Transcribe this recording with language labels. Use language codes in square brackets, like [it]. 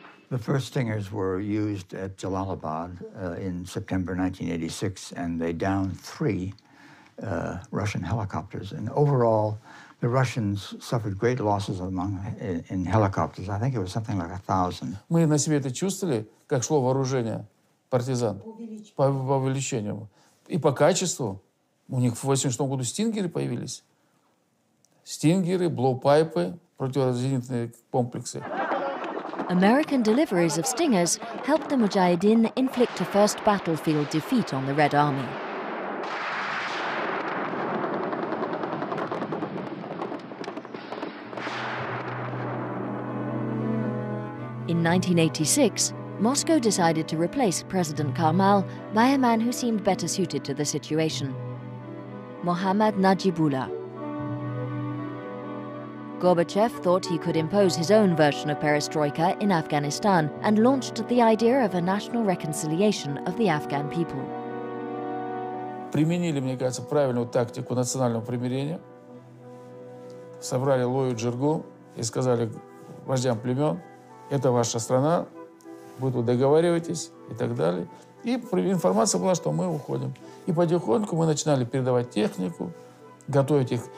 [en] The first Stingers were used at Jalalabad in September 1986, and they downed three Russian helicopters. And overall, the Russians suffered great losses in helicopters. I think it was something like 1,000. [ru] Мы на себе это чувствовали, как шло вооружение партизан по увеличению. И по качеству. У них в 86 году стингеры появились. Стингеры, блоу-пайпы, противозенитные комплексы. [en] American deliveries of Stingers helped the Mujahideen inflict a first battlefield defeat on the Red Army. In 1986, Moscow decided to replace President Karmal by a man who seemed better suited to the situation, Mohammad Najibullah. Gorbachev thought he could impose his own version of perestroika in Afghanistan and launched the idea of a national reconciliation of the Afghan people. [ru] Применили, мне кажется, правильную тактику национального примирения. Собрали Лою Джиргу и сказали вождям племен: это ваша страна, вы тут договариваетесь и так далее. И информация была, что мы уходим. И потихоньку мы начинали передавать технику, готовить их.